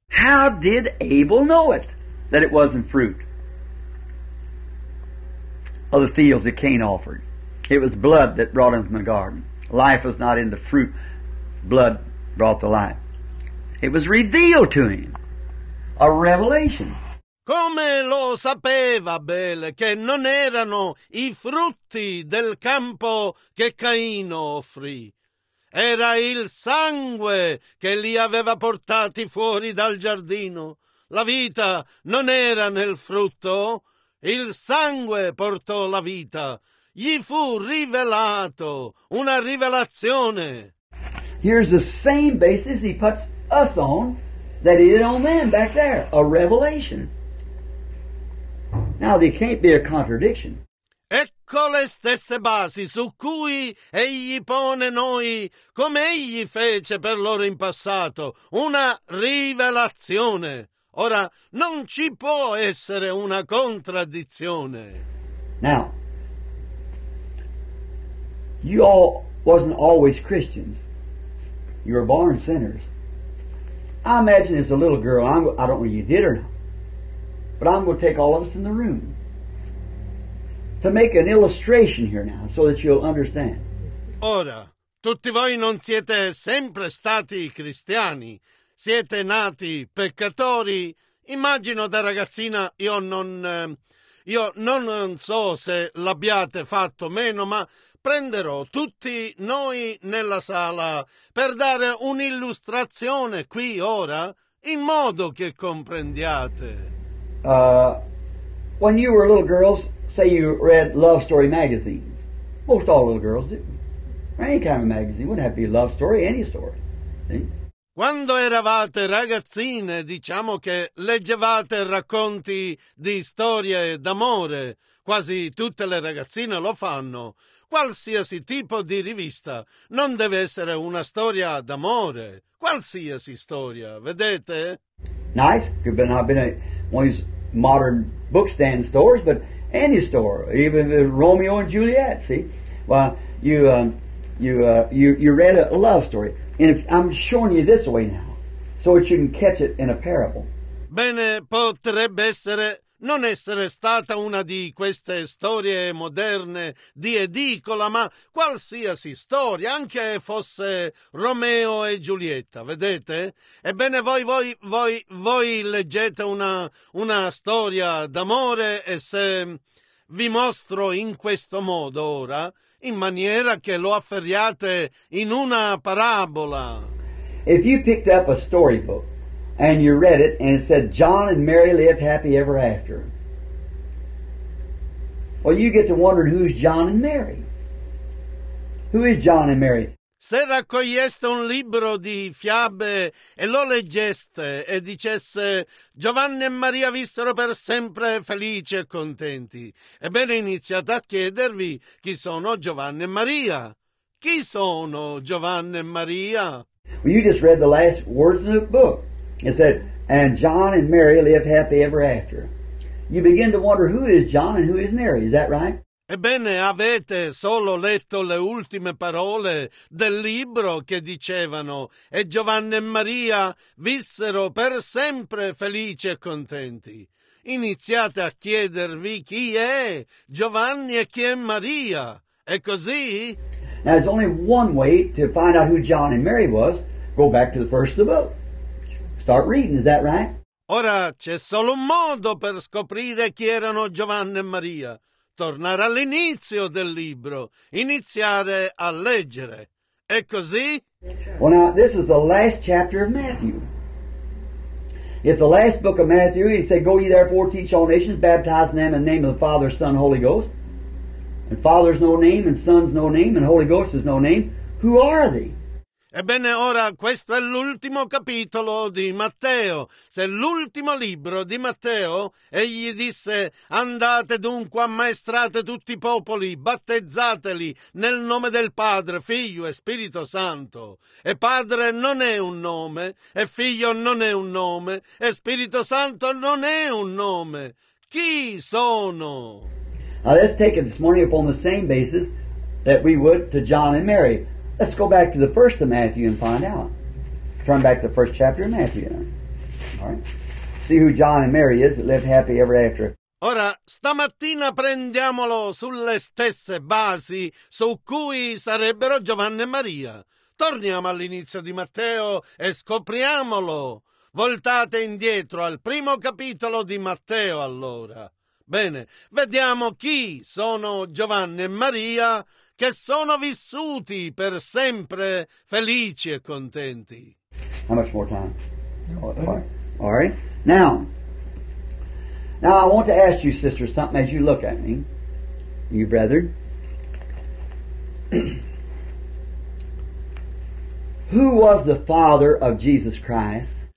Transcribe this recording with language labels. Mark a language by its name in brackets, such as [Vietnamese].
[English] How did Abel know it, that it wasn't fruit of the fields that Cain offered? It was blood that brought him from the garden. Life was not in the fruit. Blood brought the life. It was revealed to him. A revelation. [Italian] Come lo sapeva Abel che non erano i frutti del campo che Caino offrì? Era il sangue che li aveva portati fuori dal giardino. La vita non era nel frutto. Il sangue portò la vita. Gli fu rivelato, una rivelazione. [English] Here's the same basis he puts us on that he did on them back there, a revelation. Now there can't be a contradiction. [Italian] Ecco le stesse basi su cui egli pone noi, come egli fece per loro in passato, una rivelazione. Ora, non ci può essere una contraddizione. [English] Now, you all wasn't always Christians. You were born sinners. I imagine as a little girl, I don't know if you did or not, but I'm going to take all of us in the room. to make an illustration here now so that you'll understand. [Italian] Ora, tutti voi non siete sempre stati cristiani. Siete nati peccatori. Immagino da ragazzina, io non so se l'abbiate fatto meno, ma prenderò tutti noi nella sala per dare un'illustrazione qui ora, in modo che comprendiate. [English] When you were little girls, say you read love story magazines. Most all little girls do. Or any kind of magazine. Wouldn't have to be a love story, any story. [Italian] Quando eravate ragazzine, diciamo che leggevate racconti di storie d'amore. Quasi tutte le ragazzine lo fanno. Qualsiasi tipo di rivista non deve essere una storia d'amore. Qualsiasi storia, vedete? [English] Nice. Could have been one of these modern bookstand stores, but any store, even Romeo and Juliet, see? Well, you read a love story. And if I'm showing you this way now, so that you can catch it in a parable. [Italian] Bene, potrebbe essere non essere stata una di queste storie moderne di edicola, ma qualsiasi storia, anche fosse Romeo e Giulietta, vedete? Ebbene, voi leggete una storia d'amore e se vi mostro in questo modo ora, in maniera che lo afferriate in una parabola. [English] If you picked up a storybook and you read it and it said John and Mary lived happy ever after, well, you get to wonder who's John and Mary. Who is John and Mary? [Italian] Se raccoglieste un libro di fiabe e lo leggeste e dicesse Giovanni e Maria vissero per sempre felici e contenti, ebbene iniziate a chiedervi chi sono Giovanni e Maria. Chi sono Giovanni e Maria? [English] Well, you just read the last words in the book. It said, and John and Mary lived happy ever after. You begin to wonder who is John and who is Mary, is that right? [Italian] Ebbene, avete solo letto le ultime parole del libro che dicevano e Giovanni e Maria vissero per sempre felici e contenti. Iniziate a chiedervi chi è Giovanni e chi è Maria. È così? [English] Now, there's only one way to find out who John and Mary was. Go back to the first of the book. Start reading, is that right? [Italian] Ora, c'è solo un modo per scoprire chi erano Giovanni e Maria. Tornare all'inizio del libro, iniziare a leggere. È così? [English] Well, now, this is the last chapter of Matthew. If the last book of Matthew, he said, go ye therefore, teach all nations, baptize them in the name of the Father, Son, Holy Ghost. And Father's no name, and Son's no name, and Holy Ghost is no name. Who are they? [Italian] Ebbene, ora, questo è l'ultimo capitolo di Matteo. Se l'ultimo libro di Matteo, egli disse, andate dunque, ammaestrate tutti i popoli, battezzateli nel nome del Padre, Figlio e Spirito Santo. E Padre non è un nome, e Figlio non è un nome, e Spirito Santo non è un nome. Chi sono? [English] Now let's take it this morning upon the same basis that we would to John and Mary. Let's go back to the first of Matthew and find out. Turn back to the first chapter of Matthew. All right. See who John and Mary is that lived happy ever after. [Italian] Ora, stamattina prendiamolo sulle stesse basi su cui sarebbero Giovanni e Maria. Torniamo all'inizio di Matteo e scopriamolo. Voltate indietro al primo capitolo di Matteo, allora. Bene, vediamo chi sono Giovanni e Maria, che sono vissuti per sempre felici e contenti. [English] How much more time? All right. Now, I want to ask you, sister, something as you look at me, you brethren. Who was the father of Jesus Christ?